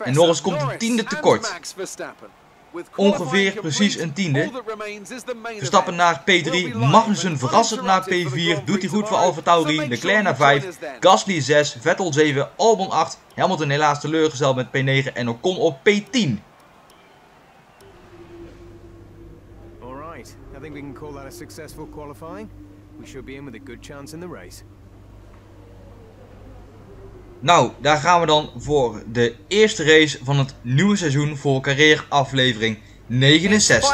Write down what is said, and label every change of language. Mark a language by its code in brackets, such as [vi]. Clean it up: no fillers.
[nl] En Norris komt een tiende tekort. Ongeveer precies een tiende. Verstappen naar P3. Magnussen verrassend naar P4. Doet hij goed voor Alfa Tauri. Leclerc naar 5. Gasly 6. Vettel 7. Albon 8. Hamilton helaas teleurgesteld met P9. En Ocon op P10. [en] Alright, I think we can call that a successful qualifying. We should be in with a good chance in the race. [nl] Nou, daar gaan we dan voor de eerste race van het nieuwe seizoen voor Carrière aflevering 69.